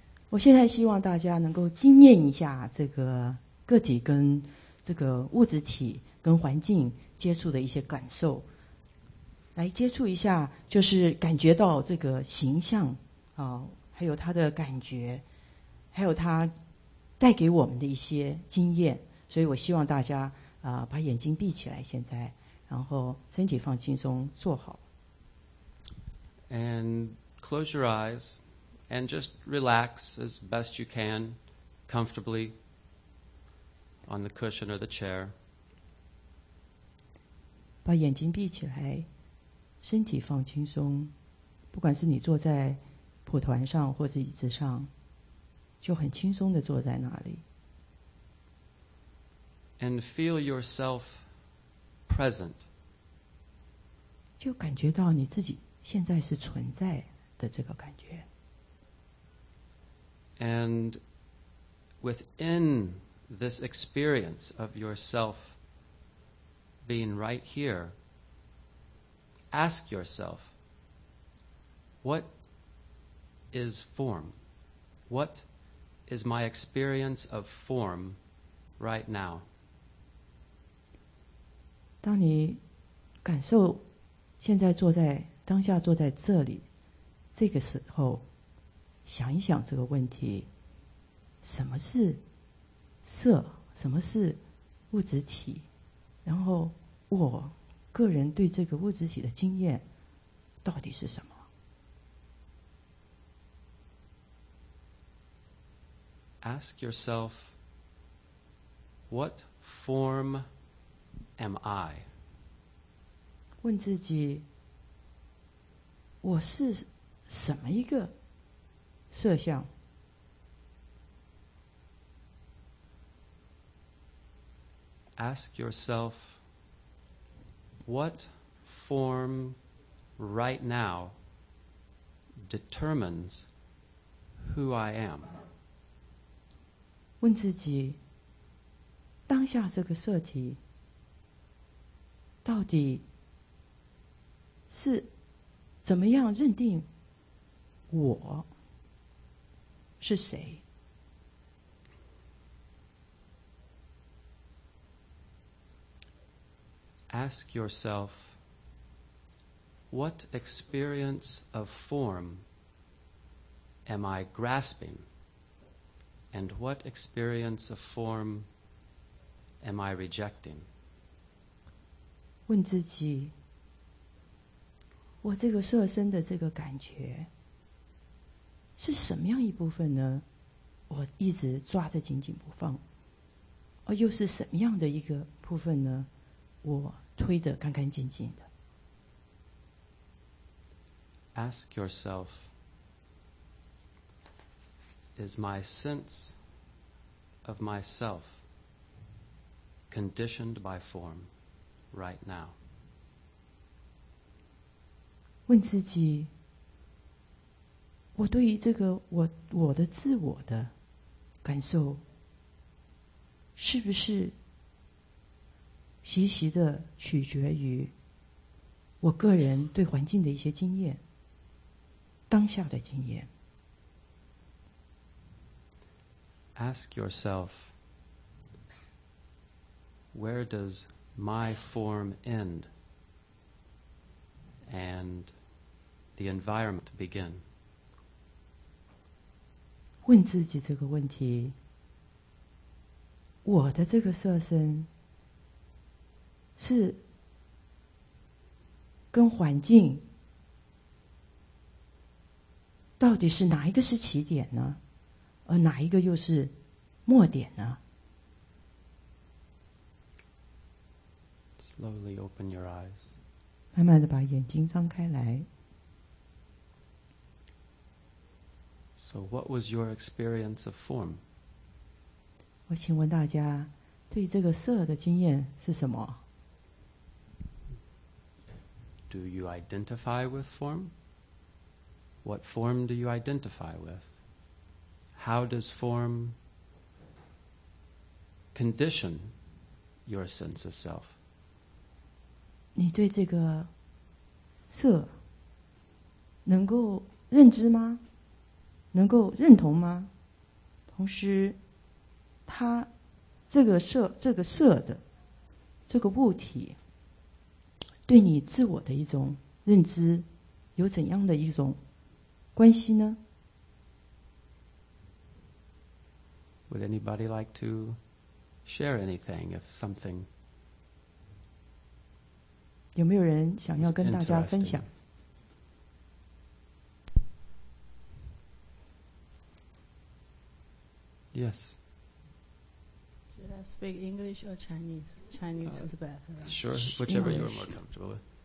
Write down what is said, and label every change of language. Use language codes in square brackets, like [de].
[zh] 我现在希望大家能够经验一下这个个体跟这个物质体跟环境接触的一些感受，来接触一下，就是感觉到这个形象还有他的感觉，还有他带给我们的一些经验。所以我希望大家把眼睛闭起来现在，然后身体放轻松，坐好。 [en] And close your eyes and just relax as best you can comfortably on the cushion or the chair. [zh] 把眼睛闭起来，身体放轻松，不管是你坐在蒲团上或者椅子上，就很轻松地坐在那里。 [en] And feel yourself present. [zh] 就感觉到你自己现在是存在的这个感觉。 [en] And within this experience of yourself being right here, ask yourself, what is form? What is my experience of form right now? [zh] 当你感受现在坐在当下坐在这里，这个时候想一想这个问题，什么是色，什么是物质体，然后我个人对这个物质体的经验到底是什么。 [en] Ask yourself, what form am I? [zh] 问自己，我是什么一个色相。 [en] Ask yourself, what form right now determines who I am? [zh] 问自己，当下这个色体到底是怎么样认定我是谁？ [en] Ask yourself, what experience of form am I grasping, and what experience of form am I rejecting? [zh] 问自己，我这个色身的这个感觉是什么样一部分呢？我一直抓着紧紧不放，而又是什么样的一个部分呢？我推得干干净净的。 [en] Ask yourself, is my sense of myself conditioned by form right now? [zh] 问自己，我对于这个我的自我的感受是不是息息的取决于我个人对环境的一些经验，当下的经验。 [en] Ask yourself, where does my form end and the environment begin? [zh] 问自己这个问题，我的这个色身是跟环境到底是哪一个是起点呢？而哪一个又是末点呢？ [en] Slowly open your eyes. [zh] 慢慢地把眼睛张开来。 [en] So what was your experience of form? [zh] 我请问大家，对这个色的经验是什么？ [en] Do you identify with form? What form do you identify with? How does form condition your sense of self? [zh] 你对这个色能够认知吗？能够认同吗？同时，它这个色的这个物体对你自我的一种认知有怎样的一种关系呢？ [en] Would anybody like to share anything if something? [zh] 有没有人想要跟大家分享？ [en] Yes. Should I speak English or Chinese? Chinese is better. Sure, whichever you are more comfortable with.